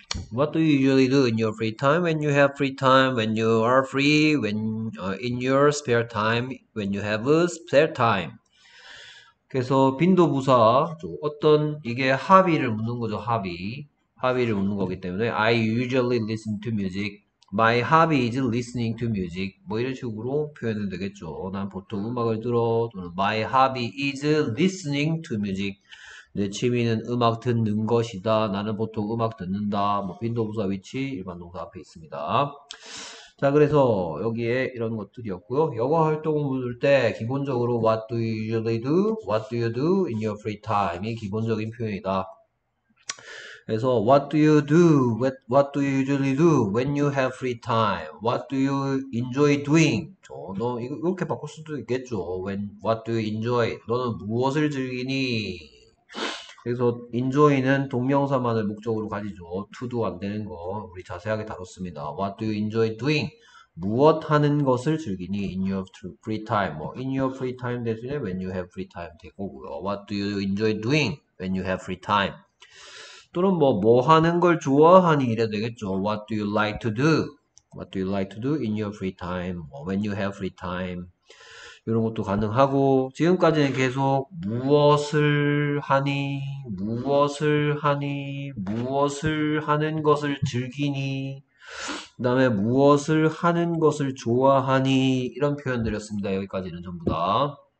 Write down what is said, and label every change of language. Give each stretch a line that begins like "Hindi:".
English: What do you usually do in your free time? When you have free time, when you are free, in your spare time, when you have a spare time.
Korean: 그래서 빈도 부사, 어떤 이게 합의를 묻는 거죠. 합의를 묻는 거기 때문에
English: I usually listen to music. My hobby is listening to music.
Korean: 뭐 이런 식으로 표현해도 되겠죠. 난 보통 음악을 들어, 또는
English: My hobby is listening to music.
Korean: 내 취미는 음악 듣는 것이다. 나는 보통 음악 듣는다. 뭐 빈도부사 위치, 일반 동사 앞에 있습니다. 자, 그래서 여기에 이런 것들이었고요. 여가 활동을 묻을 때 기본적으로
English: What do you usually do? What do you do in your free time?
Korean: 이 기본적인 표현이다.
English: 그래서 what do you do? What do you usually do when you have free time? What do you enjoy doing?
Korean: 너 이거 이렇게 바꿀 수도 있겠죠.
English: When what do you enjoy?
Korean: 너는 무엇을 즐기니? 그래서 enjoy는 동명사만을 목적으로 가지죠.
English: to do
Korean: 안 되는 거 우리 자세하게 다뤘습니다.
English: What do you enjoy doing?
Korean: 무엇 하는 것을 즐기니?
English: In your free time.
Korean: 뭐 in your free time 대신에 when you have free time 될 거고요.
English: What do you enjoy doing when you have free time?
Korean: 또는 뭐 하는 걸 좋아하니 이래도 되겠죠.
English: What do you like to do? What do you like to do in your free time? When you have free time?
Korean: 이런 것도 가능하고 지금까지는 계속 무엇을 하니? 무엇을 하니? 무엇을 하는 것을 즐기니? 그다음에 무엇을 하는 것을 좋아하니? 이런 표현 드렸습니다. 여기까지는 전부 다.